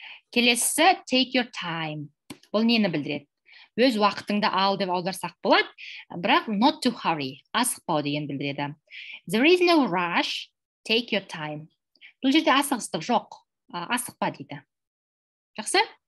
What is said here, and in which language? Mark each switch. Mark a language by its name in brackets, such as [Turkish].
[Kazakh] Келесі, [English] take your time. [Kazakh] Бұл нені білдіреді? Өз уақытыңды ал деп аударсақ болады, бірақ [English] not to hurry, [Kazakh] асықпау деген білдіреді. [English] There is no rush, take your time. [Kazakh] Бұл жерде асығыстық жоқ, асықпа дейді. Жақсы?